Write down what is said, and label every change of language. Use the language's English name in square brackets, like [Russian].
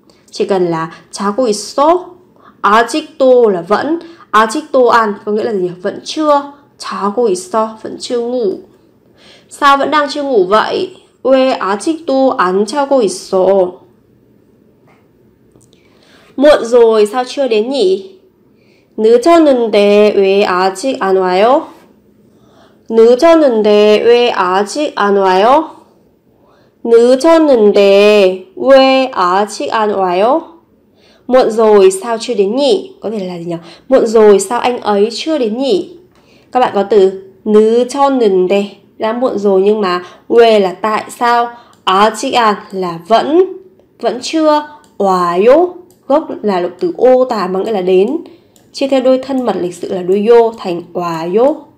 [Vietnamese] Chỉ cần là [Korean] 자고 있어. 아직도 [Vietnamese] là vẫn. [Korean] 아직도 안 [Vietnamese] có nghĩa là gì nhỉ? Vẫn chưa. [Korean] 자고 있어 [Vietnamese] vẫn chưa ngủ. Sao vẫn đang chưa ngủ vậy? [Korean] 왜 아직도 안 자고 있어? [Vietnamese] Muộn rồi sao chưa đến nhỉ? [Korean] 늦었는데 왜 아직 안 와요? 늦었는데 왜 아직 안 와요? 늦었는데 왜 아직 안 와요? [Vietnamese] Muộn rồi sao chưa đến nhỉ? Có thể là gì nhỉ? Muộn rồi sao anh ấy chưa đến nhỉ? Các bạn có từ [Korean] 늦었는데 [Vietnamese] là muộn rồi, nhưng mà 왜 là tại sao, [Korean] 아직 안 [Vietnamese] là vẫn chưa, [Korean] 와요 [Vietnamese] gốc là động từ ô tả mà nghĩa là đến, chia theo đôi thân mật lịch sự là đôi yo thành 와요.